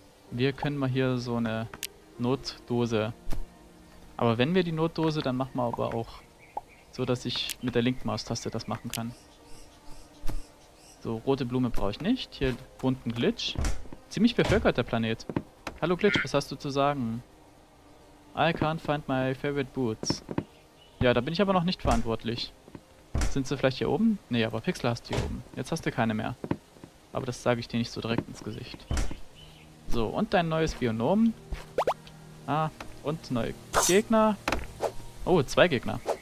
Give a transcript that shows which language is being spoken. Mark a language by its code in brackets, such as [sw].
[de] Wir können mal hier so eine Notdose. Aber wenn wir die Notdose, dann machen wir aber auch so, dass ich mit der linken Maustaste das machen kann. So, rote Blume brauche ich nicht. Hier wohnt ein Glitch. Ziemlich bevölkert der Planet. Hallo Glitch, was hast du zu sagen? [en] I can't find my favorite boots. [de] Ja, da bin ich aber noch nicht verantwortlich. Sind sie vielleicht hier oben? Nee, aber Pixel hast du hier oben. Jetzt hast du keine mehr. Aber das sage ich dir nicht so direkt ins Gesicht. So, und dein neues Bionom. Ah, und neue Gegner. Oh, zwei Gegner.